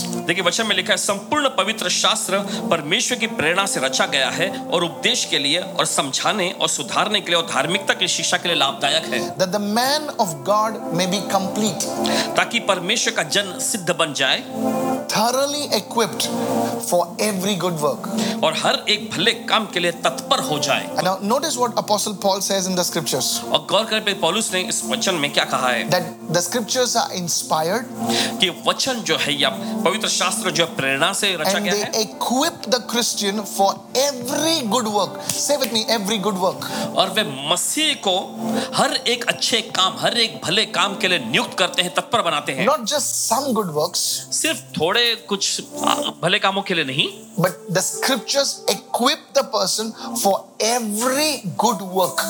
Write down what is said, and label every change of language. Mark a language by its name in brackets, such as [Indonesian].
[Hindi] देखिए वचन में लिखा है संपूर्ण पवित्र शास्त्र परमेश्वर की प्रेरणा से रचा गया है और उपदेश के लिए और समझाने और सुधारने के लिए और धार्मिकता की शिक्षा के लिए लाभदायक है [English] That the man of God may be complete. [Hindi] ताकि परमेश्वर का जन सिद्ध बन जाए [English] Thoroughly equipped for every good work. [Hindi] और हर एक भले काम के लिए तत्पर हो जाए. [English] And now notice what Apostle Paul says in the scriptures. [Hindi] और गौर करें पे पौलुस ने इस वचन में क्या कहा है? [English] That the scriptures are inspired. [Hindi] कि वचन जो है या पवित्र शास्त्र जो प्रेरणा से रचा गया है. [English] And they equip the Christian for every good work. Say with me, every good work. [Hindi] और वे मसीह को हर एक अच्छे काम, हर एक भले काम के लिए नियुक्त करते हैं, तत्पर बनाते हैं. [English] Not just some good works. [Hindi] सिर्फ थोड़े कुछ भले कामों के लिए नहीं [English] but the scriptures equip the person for every good work